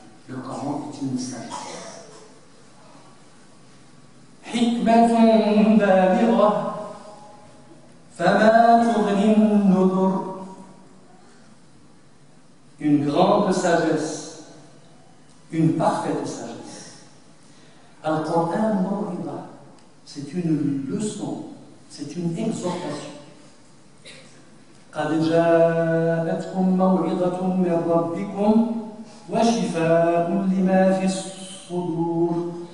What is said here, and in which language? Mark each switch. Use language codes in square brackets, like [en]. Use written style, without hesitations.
[fr] Le Coran est une sagesse. [ar] حكمة بالغة فما تغني النذر. [fr] Une grande sagesse, une parfaite sagesse. [ar] Al-Qur'an Mawida, [fr] c'est une leçon, c'est une exhortation. [ar] قد جاءتكم موعظة من ربكم وشفاء لما في الصدور.